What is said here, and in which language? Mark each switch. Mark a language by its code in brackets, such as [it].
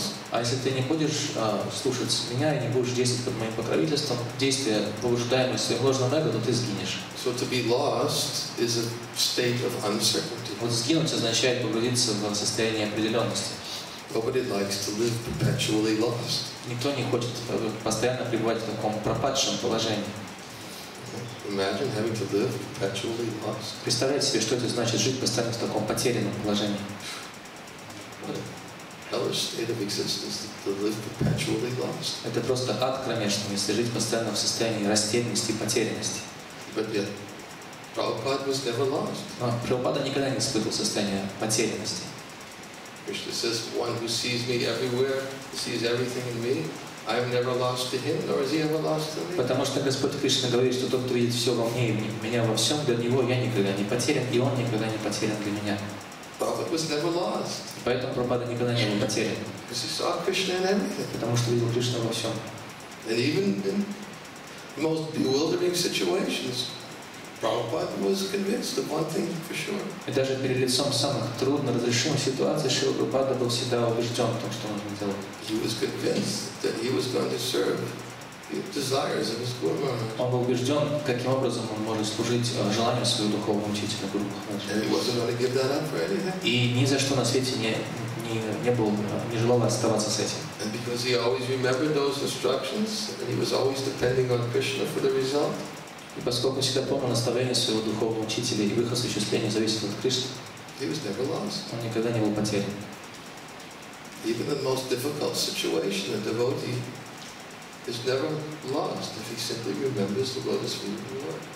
[ru] А если ты не будешь слушаться меня и не будешь действовать под моим покровительством, действия, побуждаемые своим ложным эго, то ты сгинешь. [en] So to be lost is a state of uncertainty. [ru] Вот сгинуть означает погрузиться в состояние определенности. [en] Nobody likes to live perpetually lost. [ru] Никто не хочет постоянно пребывать в таком пропадшем положении. [en] Imagine having to live perpetually lost. [ru] Представляете себе, что это значит жить постоянно в таком потерянном положении? [en] What a hellish state of existence to live perpetually lost. [ru] Это просто ад кромешный, если жить постоянно в состоянии растерянности и потерянности. [en] But yet, Prabhupada was never lost. [ru] Прабхупада никогда не испытывал состояние потерянности. [en] Krishna says, one who sees me everywhere, sees everything in me, I am never lost to him, nor is he ever lost to me. [ru] Потому что Господь Кришна говорит, что тот, кто видит все во мне и меня во всем, для него я никогда не потерян, и он никогда не потерян для меня. [en] Prabhupada was never lost. [ru] Поэтому Прабхупада никогда не был потерян. [en] Because he saw Krishna in everything. [ru] Потому что видел Кришну во всем. [en] And even in most bewildering situations, Prabhupada was convinced of one thing for sure. [ru] И даже перед лицом самых трудно разрешимых ситуаций Шрила Прабхупада был всегда убежден в том, что он хотел. [en] He was convinced that he was going to serve the desires of his Guru Maharaj. [ru] Он был убежден, каким образом он может служить желанию своего духовного учителя Гуру Махараджа. [en] And he wasn't going to give that up for anything. [ru] И ни за что на свете не желал оставаться с этим. [en] And because he always remembered those instructions, and he was always depending on Krishna for the result. [ru] И поскольку всегда помнил наставление своего духовного учителя и в их осуществлении зависит от Кришны, он никогда не был потерян. [en] Even in the most difficult situation, a devotee is never lost if he simply remembers the lotus feet of the Lord.